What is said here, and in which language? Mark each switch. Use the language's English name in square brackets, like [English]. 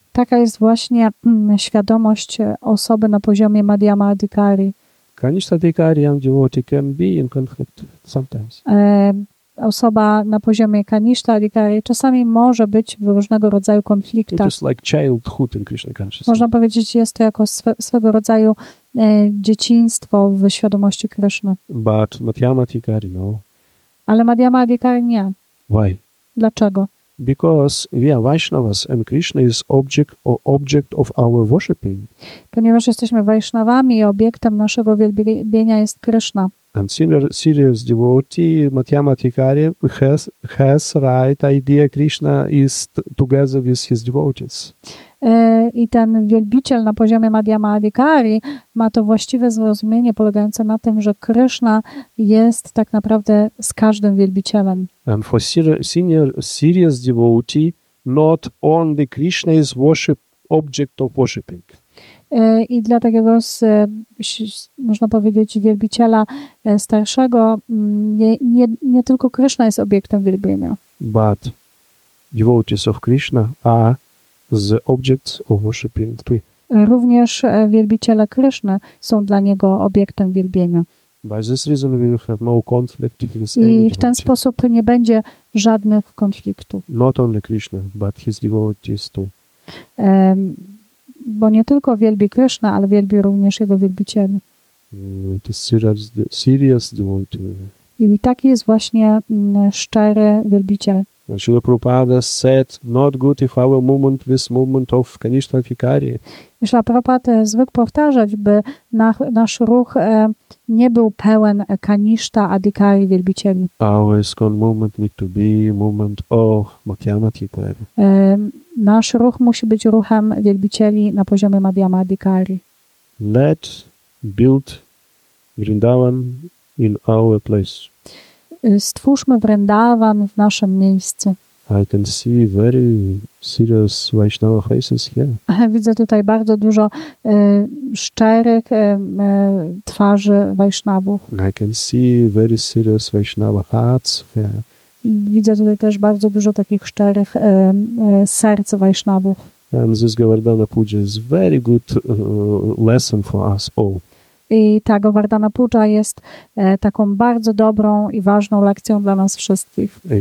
[Polish] Taka jest właśnie świadomość osoby na poziomie Madhyamadhikari. [English] Kanishtadhikari and devotee can be in conflict sometimes. [Polish] Osoba na poziomie Kanishtadhikari czasami może być w różnego rodzaju konfliktach. [English] It is like childhood in Krishna consciousness. [Polish] Można powiedzieć, jest to jako swego rodzaju dzieciństwo w świadomości Krishna. [English] But Madhyamadhikari, no. [Polish] Ale Madhyamadhikari nie. [English] Why? [Polish] Dlaczego? [English] Because we are Vaishnavas and Krishna is object of our worshiping. [Polish] Ponieważ jesteśmy Vaishnavami, obiektem naszego wielbienia jest Krishna. [English] And serious devotee, Matyamatikari, has right idea Krishna is together with his devotees. [Polish] I ten wielbiciel na poziomie Madhyama Adhikari ma to właściwe zrozumienie polegające na tym, że Krishna jest tak naprawdę z każdym wielbicielem. [English] And for serious devotee, not only Krishna is worship object of worshiping. [Polish] I dla takiego, można powiedzieć, wielbiciela starszego, nie tylko Krishna jest obiektem wielbienia. [English] But devotees of Krishna are the objects of worshiping too. [Polish] Również wielbiciele Krishna są dla niego obiektem wielbienia. [English] By this reason we will have no conflict with any devotee. [Polish] I w ten sposób nie będzie żadnych konfliktów. [English] Not only Krishna, but his devotees too. [Polish] Bo nie tylko wielbi Krishna, ale wielbi również jego wielbicieli. [English] To serious devotee. [Polish] I taki jest właśnie szczery wielbiciel. [English] Śrīla Prabhupāda said, not good if our movement, this movement of Kanishtha Adhikāri. [Polish] Śrīla Prabhupāda zwykł powtarzać, by nasz ruch nie był pełen Kanishtha Adhikāri wielbicieli. [English] Our ISKCON movement need to be movement of Madhyama Adhikāri. [Polish] Nasz ruch musi być ruchem wielbicieli na poziomie Madhyama Adhikāri. [English] Let build Vrindavan in our place. [Polish] Stwórzmy Vrindavan w naszym miejscu. [English] I can see very serious Vaishnava faces here. [Polish] Widzę tutaj bardzo dużo szczerych twarzy Vaishnavów. [English] I can see very serious Vaishnava hearts here. [Polish] Widzę tutaj też bardzo dużo takich szczerych serc Vaishnavów. [English] And this Govardhana Puja is very good lesson for us all. [Polish] I ta Govardhana Puja jest taką bardzo dobrą i ważną lekcją dla nas wszystkich.